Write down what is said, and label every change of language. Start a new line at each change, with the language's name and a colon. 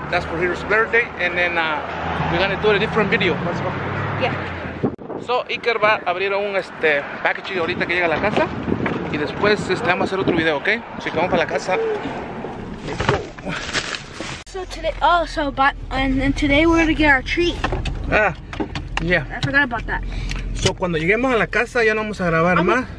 English: That's for his birthday, and then we're gonna do a different video. Let's go. Yeah.
Spanish: So Iker va a abrir un package ahorita que llega a la casa, y después vamos a hacer otro video, okay? Así que vamos para la casa.
English: So today, and today we're gonna get our treat. Ah, yeah. I forgot about that.
Spanish: So cuando lleguemos a la casa ya no vamos a grabar más.